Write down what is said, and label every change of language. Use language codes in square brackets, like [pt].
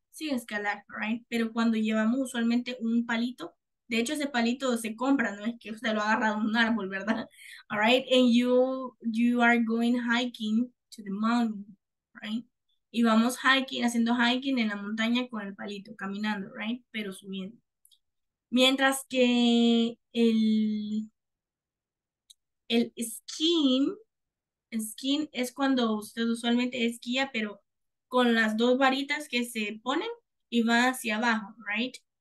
[es] Sí, escalar, [en] right? [es] Pero cuando llevamos usualmente un palito, de hecho, ese palito se compra, no es que usted lo agarra de un árbol, ¿verdad? [en] All right, and you are going hiking to the mountain, right? [es] Y vamos haciendo hiking en la montaña con el palito, caminando, [en] right? [es] Pero subiendo. Mientras que el skiing es cuando usted usualmente esquía, pero con las dos varitas que se ponen y va hacia abajo, [en] right?